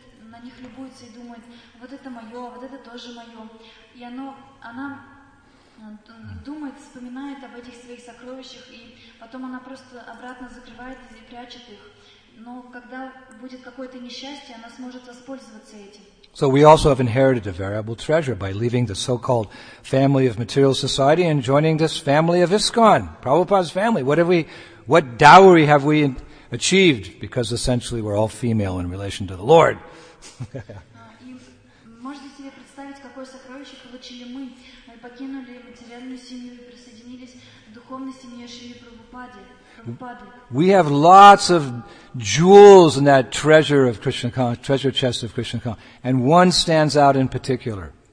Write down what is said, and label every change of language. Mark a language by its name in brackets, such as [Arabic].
[Russian] На них любуется и думает: вот это мое, вот это тоже мое. И она думает, вспоминает об этих своих сокровищах, и потом она просто обратно закрывает и прячет их. Но когда будет какое-то несчастье, она сможет воспользоваться этим. [English] So we also have inherited a variable treasure by leaving the so-called family of material society and joining this family of ISKCON, Prabhupada's family. What dowry have we achieved? Because essentially we're all female in relation to the Lord. [Russian] И можете себе представить, какое сокровище получили мы. Мы покинули материальную семью и присоединились к духовной семье Шри Прабхупады. [English] We have lots of jewels in that treasure of Krishna consciousness, treasure chest of Krishna consciousness, and one stands out in particular.